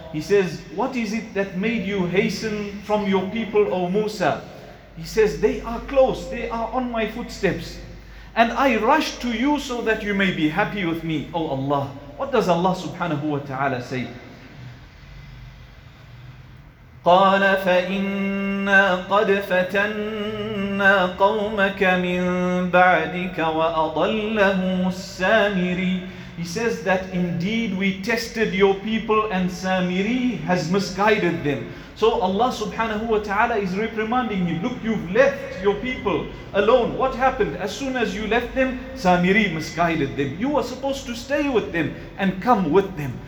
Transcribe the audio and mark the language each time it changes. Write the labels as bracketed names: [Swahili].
[English] He says, what is it that made you hasten from your people, O Musa? He says, they are close, they are on my footsteps. And I rush to you so that you may be happy with me, O Allah. What does Allah subhanahu wa ta'ala say? [Arabic] قال فإنا قد فتنا قومك من بعدك وأضلهم السامري. [English] He says that indeed we tested your people and Samiri has misguided them. So Allah subhanahu wa ta'ala is reprimanding him. Look, you've left your people alone. What happened? As soon as you left them, Samiri misguided them. You were supposed to stay with them and come with them.